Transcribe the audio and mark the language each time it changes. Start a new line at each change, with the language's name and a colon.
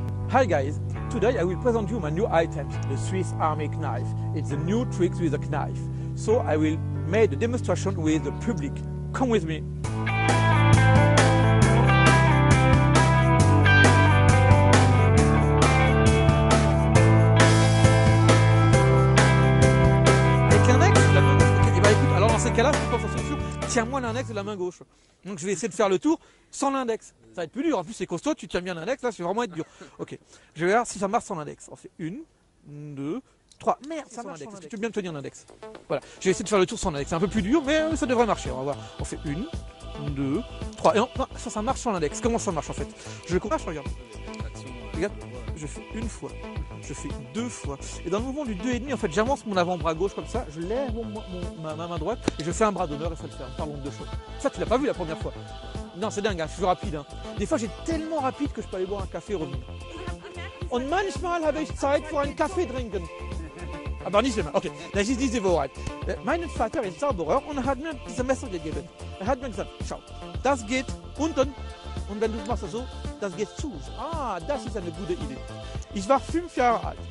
English: Hi guys, today I will present you my new item, the Swiss Army knife. It's a new trick with a knife. So I will make a demonstration with the public. Come with me.
French: Avec l'index de la main gauche. Ok, et bah écoute, alors dans ces cas-là, c'est pas sa solution. Tiens-moi l'index de la main gauche. Donc je vais essayer de faire le tour sans l'index. Ça va être plus dur, en plus c'est costaud, tu tiens bien l'index, là c'est vraiment être dur. Ok, je vais voir si ça marche sans l'index. On fait 1, 2, 3. Merde, ça marche. Est-ce que tu veux bien me tenir l'index? Voilà, je vais essayer de faire le tour sans l'index. C'est un peu plus dur, mais ça devrait marcher, on va voir. On fait 1, 2, 3. Et non, ça marche sans l'index. Comment ça marche en fait? Je le comprends, regarde. Regarde, je fais une fois, je fais deux fois. Et dans le mouvement du 2,5, en fait, j'avance mon avant-bras gauche comme ça, je lève ma main droite et je fais un bras d'honneur et ça le ferme par l'onde de choc. Ça, tu l'as pas vu la première fois. Non, c'est dingue, hein, je suis rapide. Hein. Des fois, j'ai tellement rapide que je peux aller boire un café et revenir.
German: On manchmal habe ich Zeit für ein Kaffee trinken. Aber nicht immer. Okay, das ist diese Wahrheit. Mein Vater ist Zauberer und hat mir diese Messer gegeben. Hat mir gesagt, schau, das geht unten und wenn du es machst so, das geht zu. Ah, das ist eine gute Idee. Ich war 5 Jahre alt.